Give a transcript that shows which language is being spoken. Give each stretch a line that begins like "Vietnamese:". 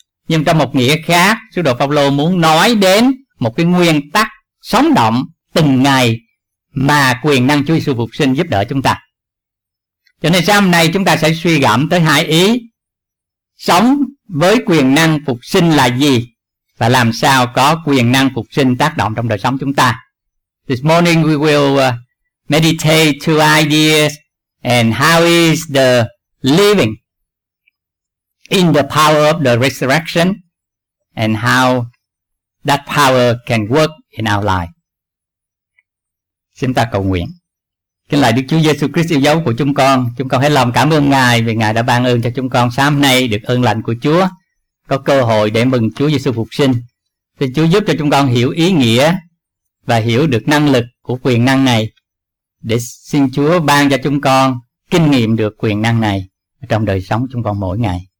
Vietnamese: Nhưng trong một nghĩa khác, sứ đồ Phao-lô muốn nói đến một cái nguyên tắc sống động từng ngày mà quyền năng Chúa Giêsu phục sinh giúp đỡ chúng ta. Cho nên sáng hôm nay chúng ta sẽ suy gẫm tới hai ý: sống với quyền năng phục sinh là gì và làm sao có quyền năng phục sinh tác động trong đời sống chúng ta.
English: This morning we will meditate two ideas, and how is the living in the power of the resurrection, and how that power can work in our life.
Vietnamese: Chúng ta cầu nguyện. Kính lạy Đức Chúa Giêsu Christ yêu dấu của chúng con hết lòng cảm ơn Ngài vì Ngài đã ban ơn cho chúng con sáng nay được ơn lành của Chúa, có cơ hội để mừng Chúa Giêsu phục sinh. Xin Chúa giúp cho chúng con hiểu ý nghĩa và hiểu được năng lực của quyền năng này, để xin Chúa ban cho chúng con kinh nghiệm được quyền năng này trong đời sống chúng con mỗi ngày.